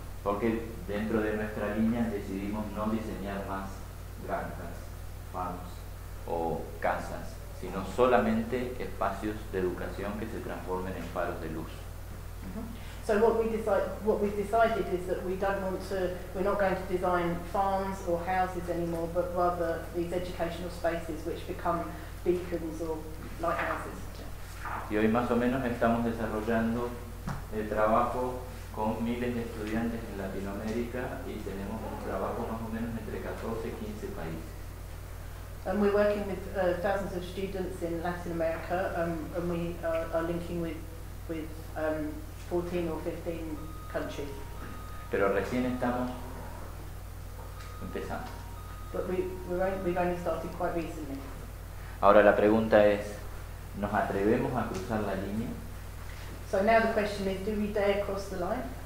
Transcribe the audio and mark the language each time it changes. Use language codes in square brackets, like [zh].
[es] Porque dentro de nuestra línea decidimos no diseñar más granjas, farms o casas, sino solamente espacios de educación que se transformen en faros de luz. [en] So what we've decided is that we don't want to, we're not going to design farms or houses anymore, but rather these educational spaces which become beacons or lighthouses. [es] Y hoy más o menos estamos desarrollando el trabajo con miles de estudiantes en Latinoamérica y tenemos un trabajo más o menos entre 14-15 países. [en] And we're working with thousands of students in Latin America, and we are linking with 14 or 15 countries. [es] Pero recién estamos empezando. [en] But we've only started quite recently. [es] Ahora la pregunta es, ¿nos atrevemos a cruzar la línea? [en] So now the question is, do we dare cross the line?